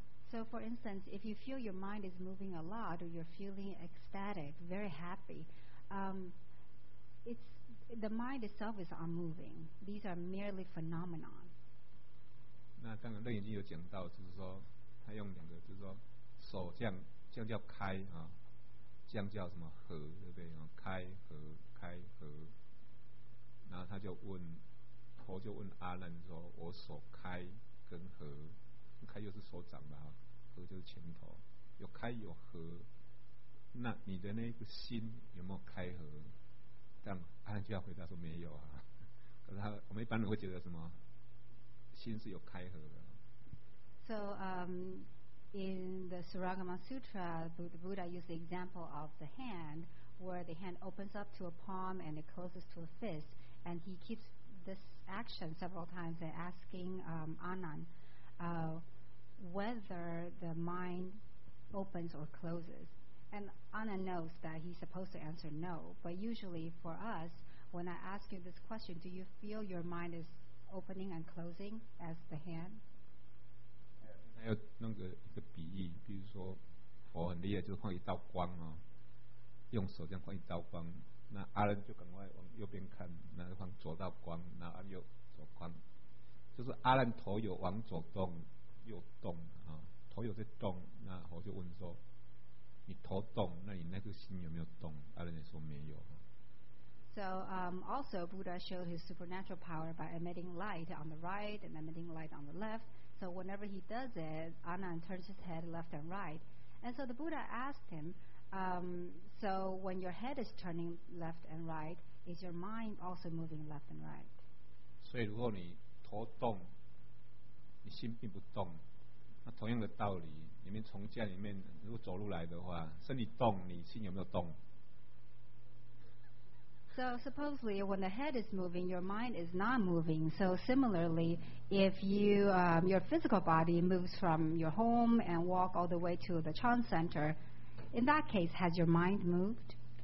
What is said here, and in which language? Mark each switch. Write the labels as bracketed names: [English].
[English] So for instance, if you feel your mind is moving a lot, or you're feeling ecstatic, very happy, it's the mind itself is unmoving. These are merely phenomena. [Chinese] 那刚刚楞严经有讲到，就是说他用两个，就是说手这样叫开啊。这样叫什么合，对不对？开合，开合。然后他就问，佛就问阿难说：“我手开跟合，开就是手掌吧，合就是拳头，有开有合。那你的那个心有没有开合？” 但阿难就要回答说：“没有啊。” 可是我们一般人会觉得什么？心是有开合的。 [English] So In the Saragama Sutra, the Buddha used the example of the hand, where the hand opens up to a palm and it closes to a fist, and he keeps this action several times and asking Anand whether the mind opens or closes. And Anand knows that he's supposed to answer no, but usually for us, when I ask you this question, do you feel your mind is opening and closing as the hand? [Chinese] 还要弄个一个比喻，比如说佛很厉害，就是放一道光啊，用手这样放一道光，那阿难就赶快往右边看，那放左道光，那阿右左光，就是阿难头有往左动，右动啊，头有在动，那佛就问说，你头动，那你那个心有没有动？阿难也说没有。 [English] So also Buddha showed his supernatural power by emitting light on the right and emitting light on the left. So whenever he does it, Anand turns his head left and right. And so the Buddha asked him, so when your head is turning left and right, is your mind also moving left and right? [Chinese] 所以如果你头动, 你心并不动, 那同样的道理, 里面从家里面, 如果走路来的话, 身体动, 你心有没有动? [English] So supposedly when the head is moving, your mind is not moving. So similarly, if you your physical body moves from your home and walk all the way to the Chan Center, in that case, has your mind moved?